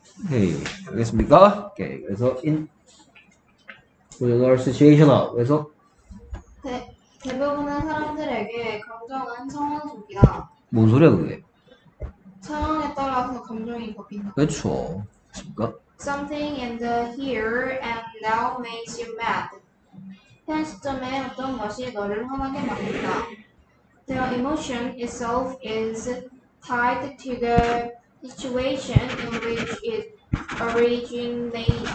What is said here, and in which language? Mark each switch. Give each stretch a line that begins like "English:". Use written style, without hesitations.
Korean: 오케이. 알겠습니까? 오케이. 그래서 in. 그래서 대부분의 사람들에게 감정은 성원적이다. 뭔 소리야 그게? 상황에 따라서 감정이 바뀐다. 그렇죠. 그러니까
English: something in the here and now makes you mad.
Korean: 현 시점에 어떤 것이 너를 화나게 만든다.
English: The emotion itself is tied to the situation in which it originated.